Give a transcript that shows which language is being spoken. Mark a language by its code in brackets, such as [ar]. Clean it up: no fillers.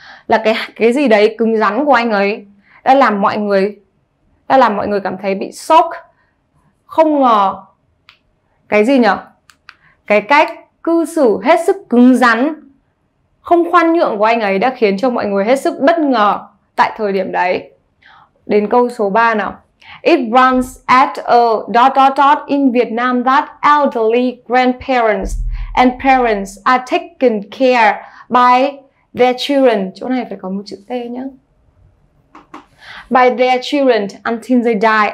[vi] Là cái gì đấy cứng rắn của anh ấy đã làm mọi người cảm thấy bị shock. Không ngờ cái gì nhỉ? Cái cách cư xử hết sức cứng rắn, không khoan nhượng của anh ấy đã khiến cho mọi người hết sức bất ngờ tại thời điểm đấy. Đến câu số 3 nào. [en] It runs at a dot dot dot in Vietnam that elderly grandparents and parents are taken care by their children. [vi] Chỗ này phải có một chữ T nhá. [en] By their children until they die.